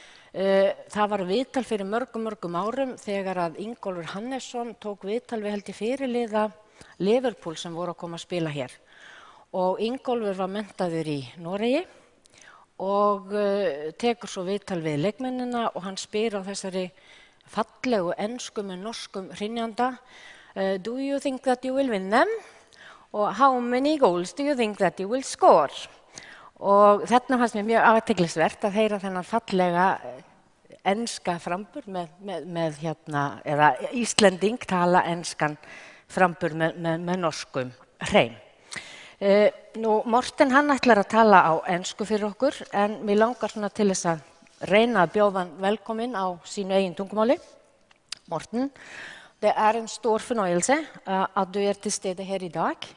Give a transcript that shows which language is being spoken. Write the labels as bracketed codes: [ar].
[is] Það var viðtal fyrir mörgum árum þegar að Ingólfur Hannesson tók viðtal við held í fyrirliða Liverpool sem voru að koma að spila hér. Og Ingólfur var menntaður í Noregi og tekur svo viðtal við leikmennina og hann spyr á þessari fallegu ensku með norskum hrynjanda [en] Do you think that you will win them? Og how many goals do you think that you will score? [is] Og þarna fannst mér mjög athyglisvert að heyra þennan fallega enska framburð með hérna, eða Íslending tala enskan framburð með norskum hreim. Nú, Morten hann ætlar að tala á ensku fyrir okkur, en mér langar svona til þess að reyna að bjóða hann velkominn á sínu eigin tungumáli. [no] Morten, det er en stor fornøyelse að du er til stede her í dag.